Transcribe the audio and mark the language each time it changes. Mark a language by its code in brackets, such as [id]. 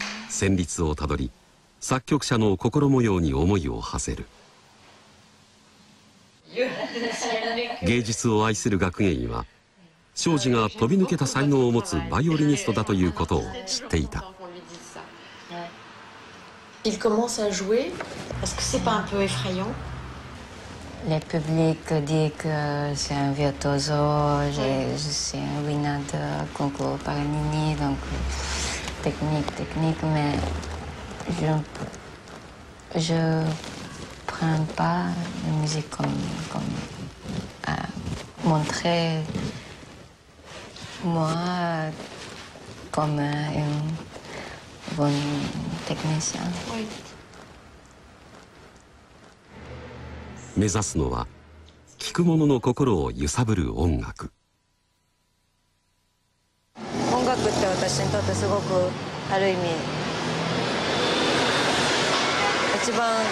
[ja] 旋律をたどり、作曲者の心模様に思いを馳せる。芸術を愛する学芸員は庄司が飛び抜けた才能を持つバイオリニストだということを知っていた。 [fr] Il commence à jouer. Est-ce que c'est pas un peu effrayant? Le public dit que c'est un virtuoso, c'est un winner de concours Paganini, donc. Technique, mais je prends pas la musique comme à montrer moi comme un bon technicien. [ja] 目指すのは聴く者の心を揺さぶる音楽。私にとってすごくある意味一番